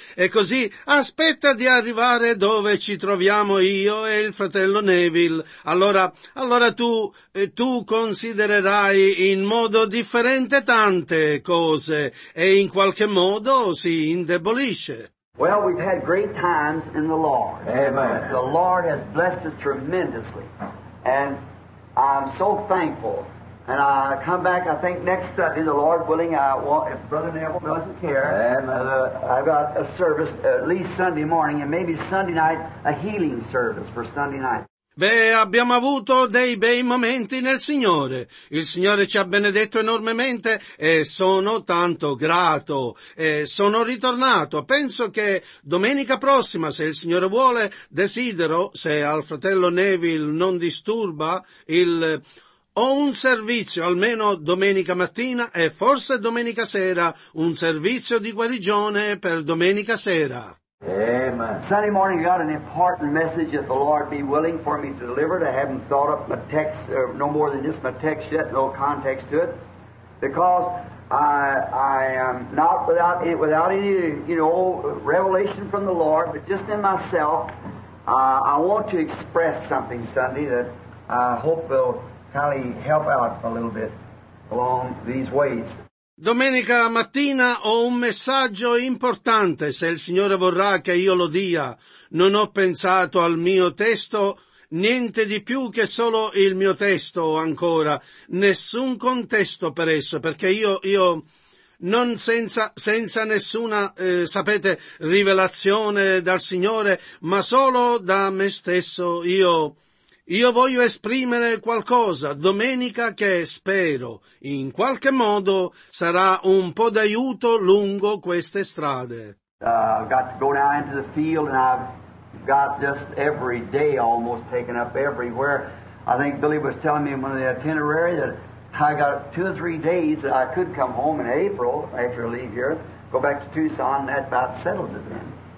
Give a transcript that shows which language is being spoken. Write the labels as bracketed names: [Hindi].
[Italian] E così aspetta di arrivare dove ci troviamo io e il fratello Neville. Allora tu considererai in modo differente tante cose e in qualche modo si indebolisce. [English] Well, we've had great times in the Lord. Amen. The Lord has blessed us tremendously. And I'm so thankful. And I come back, I think, next Sunday, the Lord willing, if Brother Neville doesn't care, I've got a service at least Sunday morning and maybe Sunday night, a healing service for Sunday night. [Italian] Beh, abbiamo avuto dei bei momenti nel Signore. Il Signore ci ha benedetto enormemente e sono tanto grato. E sono ritornato. Penso che domenica prossima, se il Signore vuole, desidero, se al fratello Neville non disturba, ho un servizio, almeno domenica mattina e forse domenica sera, un servizio di guarigione per domenica sera. Amen. [English] Sunday morning I got an important message that the Lord be willing for me to deliver. I haven't thought up my text, no more than just my text yet, no context to it. Because I am not without any, you know, revelation from the Lord, but just in myself, I want to express something Sunday that I hope will kind of help out a little bit along these ways. [Italian] Domenica mattina ho un messaggio importante, se il Signore vorrà che io lo dia. Non ho pensato al mio testo, niente di più che solo il mio testo ancora, nessun contesto per esso, perché io non senza nessuna, sapete, rivelazione dal Signore, ma solo da me stesso io voglio esprimere qualcosa domenica che spero in qualche modo sarà un po' d'aiuto lungo queste strade. [English] I've got to go now into the field and I've got just every day almost taken up everywhere. I think Billy was telling me in one of the itinerary that I got two or three days that I could come home in April after I leave here, go back to Tucson, and that about settles it then.